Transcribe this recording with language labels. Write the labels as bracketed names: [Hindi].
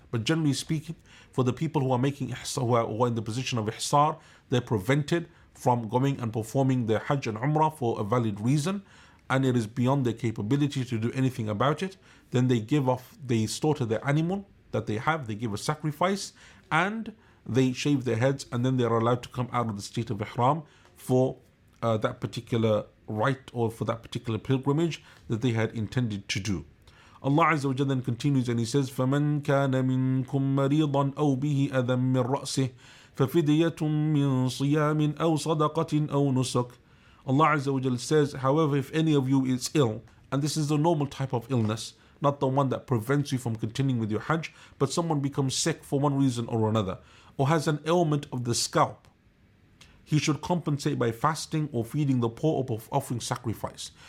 [English] But generally speaking, for the people who are making ihsar, who are in the position of ihsar, they're prevented from going and performing their Hajj and Umrah for a valid reason, and it is beyond their capability to do anything about it, then they give off, they slaughter their animal that they have, they give a sacrifice, and they shave their heads, and then they are allowed to come out of the state of ihram for that particular rite or for that particular pilgrimage that they had intended to do. Allah Azza wa Jalla then continues and he says, [Arabic] فَمَنْ كَانَ مِنْكُمْ مَرِيضًا أَوْ بِهِ أَذًى مِّنْ رَأْسِهِ فَفِدْيَةٌ مِّنْ صِيَامٍ أَوْ صَدَقَةٍ أَوْ نُسُكٍ. [English] Allah Azza wa Jalla says, however, if any of you is ill, and this is a normal type of illness, not the one that prevents you from continuing with your Hajj, but someone becomes sick for one reason or another, or has an ailment of the scalp, he should compensate by fasting or feeding the poor or offering sacrifice.